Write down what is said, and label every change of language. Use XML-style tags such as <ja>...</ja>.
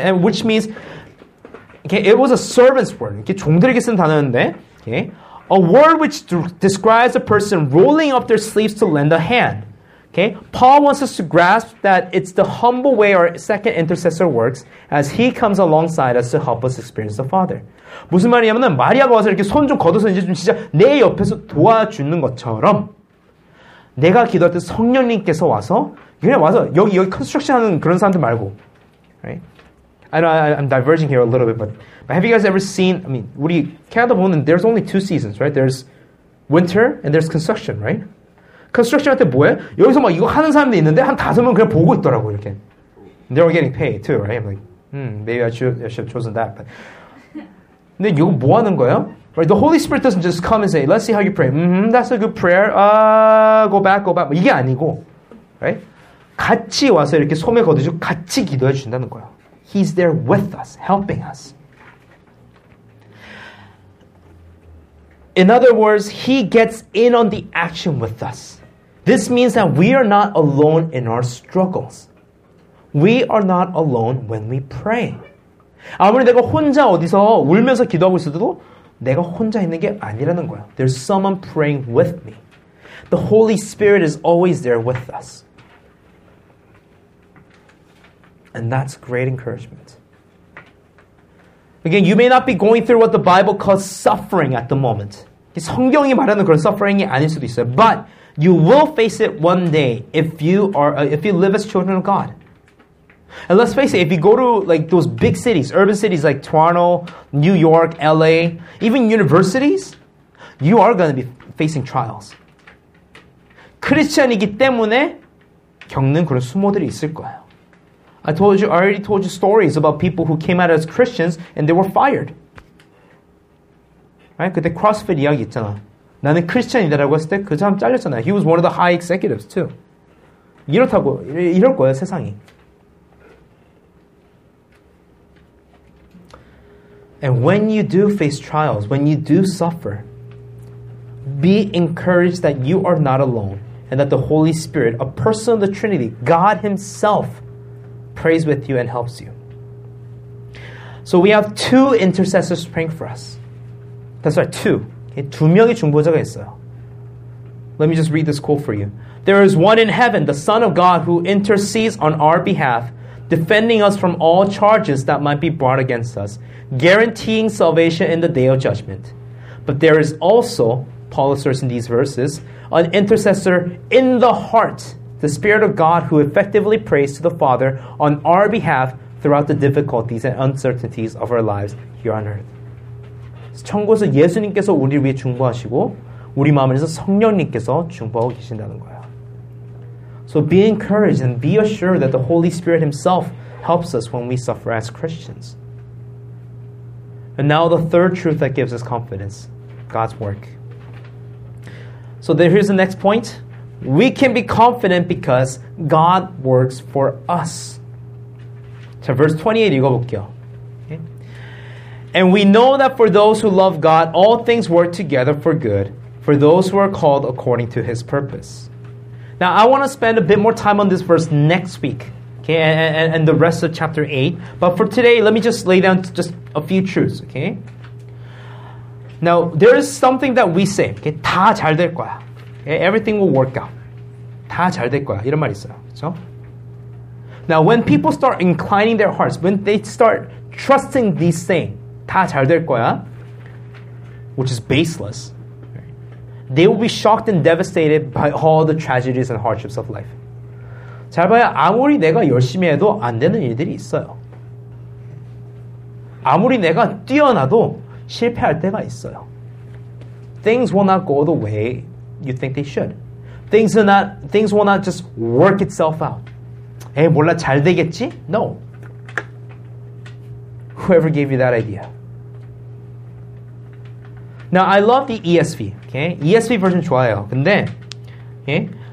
<en>And which means, okay, it was a servant's word.</en> <ko>이게 종들에게 쓴 단어인데, okay?</ko> <en>A word which describes a person rolling up their sleeves to lend a hand. Okay? Paul wants us to grasp that it's the humble way our second intercessor works as he comes alongside us to help us experience the Father.</en> <ko>무슨 말이냐면 마리아가 와서 이렇게 손 좀 걷어서 이제 좀 진짜 내 옆에서 도와주는 것처럼 내가 기도할 때 성령님께서 와서 그냥 와서 여기 컨스트럭션 하는 그런 사람들 말고.</ko> <en>Right? I know I'm diverging here a little bit, but have you guys ever seen, I mean,</en> <ko>우리 캐나다 보면</ko> <en>there's only two seasons, right? There's winter and there's construction, right?</en> <ko>Construction한테 뭐해? 여기서 막 이거 하는 사람들 있는데 한 다섯 명 그냥 보고 있더라고 이렇게.</ko> <en>They're getting paid too, right? I'm like, maybe I should have chosen that. But.</en> <ko>근데 이거 뭐 하는 거예요?</ko> <en>Right? The Holy Spirit doesn't just come and say, let's see how you pray. That's a good prayer. Go back.</en> <ko>이게 아니고,</ko> <en>right?</en> <ko>같이 와서 이렇게 소매 걷어주고 같이 기도해 준다는 거예요.</ko> <en>He's there with us, helping us. In other words, he gets in on the action with us. This means that we are not alone in our struggles. We are not alone when we pray.</en> <ko>아무리 내가 혼자 어디서 울면서 기도하고 있어도 내가 혼자 있는 게 아니라는 거야.</ko> <en>There's someone praying with me. The Holy Spirit is always there with us. And that's great encouragement. Again, you may not be going through what the Bible calls suffering at the moment.</en> <ko>성경이 말하는 그런 suffering이 아닐 수도 있어요.</ko> <en>But you will face it one day if you live as children of God. And let's face it, if you go to like those big cities, urban cities like Toronto, New York, LA, even universities, you are going to be facing trials.</en> <ko>크리스천이기 때문에 겪는 그런 수모들이 있을 거예요.</ko> <en>I already told you stories about people who came out as Christians and they were fired.</en> <ko>Right? 그때 CrossFit 이야기 있잖아. 나는 크리스천이다라고 했을 때 그 사람 잘렸잖아.</ko> <en>He was one of the high executives too.</en> <ko>이렇다고, 이럴 거야, 세상이.</ko> <en>And when you do face trials, when you do suffer, be encouraged that you are not alone and that the Holy Spirit, a person of the Trinity, God Himself, prays with you and helps you. So we have two intercessors praying for us. That's right, two.</en> <ko>Okay, 두 명의 중보자가 있어요.</ko> <en>Let me just read this quote for you. There is one in heaven, the Son of God, who intercedes on our behalf, defending us from all charges that might be brought against us, guaranteeing salvation in the day of judgment. But there is also, Paul asserts in these verses, an intercessor in the heart, the Spirit of God who effectively prays to the Father on our behalf throughout the difficulties and uncertainties of our lives here on earth.</en> <ko>천국에서 예수님께서 우리를 위해 중보하시고 우리 마음 안에서 성령님께서 중보하고 계신다는 거야.</ko> <en>So be encouraged and be assured that the Holy Spirit Himself helps us when we suffer as Christians. And now the third truth that gives us confidence, God's work. So here's the next point. We can be confident because God works for us.</en> <ko>자, verse 28 읽어볼게요.</ko> <en>And we know that for those who love God, all things work together for good, for those who are called according to His purpose. Now, I want to spend a bit more time on this verse next week, okay, and the rest of chapter 8. But for today, let me just lay down just a few truths, okay? Now, there is something that we say, okay,</en> <ko>다 잘 될 거야.</ko> <en>Okay? Everything will work out.</en> <ko>다 잘 될 거야, 이런 말 있어요, 그렇죠?</ko> <en>Now, when people start inclining their hearts, when they start trusting these things,</en> <ko>다 잘 될 거야,</ko> <en>which is baseless, they will be shocked and devastated by all the tragedies and hardships of life.</en> <ko>잘 봐요. 아무리 내가 열심히 해도 안 되는 일들이 있어요. 아무리 내가 뛰어나도 실패할 때가 있어요.</ko> <en>Things will not go the way you think they should. Things will not just work itself out.</en> <ko>에이, 몰라, 잘 되겠지?</ko> <en>No. Whoever gave you that idea? Now, I love the ESV, okay? ESV version</en> <ko>좋아요. 근데,</ko> <en>okay?</en>